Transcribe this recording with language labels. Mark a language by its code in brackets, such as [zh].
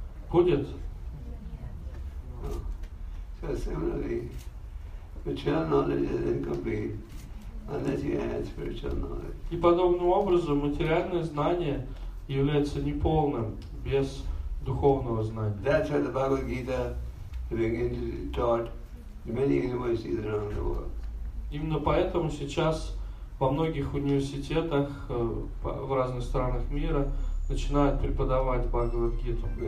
[ru] Будет? [en] So similarly, material knowledge is incomplete unless you add spiritual knowledge. [ru] И подобным образом материальное знание является неполным без духовного знания. [en] That's why the Bhagavad Gita begins to be taught in many universities around the world. [ru] Именно поэтому сейчас во многих университетах в разных странах мира начинают преподавать Бхагавад Гиту.